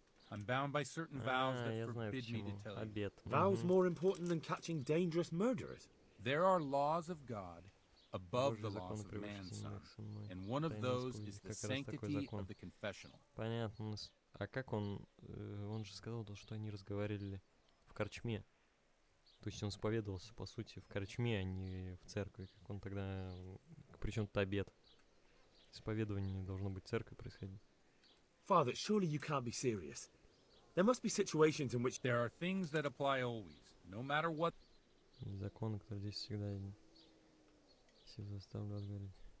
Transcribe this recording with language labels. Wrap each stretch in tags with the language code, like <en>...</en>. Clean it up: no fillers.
<en>I'm bound by certain vows that forbid me to tell you. Vows more important than catching dangerous murderers? There are laws of God above the laws of man, son. And one of those is the sanctity of the confessional.</en> <ru>Понятно. А как он... Он же сказал, что они разговаривали в корчме. То есть он исповедовался, по сути, в корчме, а не в церкви. Как он тогда... Причем тут обед. Исповедование должно быть в церкви происходить.</ru> <en>Father, surely you can't be serious. There must be situations in which... There are things that apply always, no matter what...</en> <ru>Законы, которые здесь всегда... Все заставляют говорить.</ru>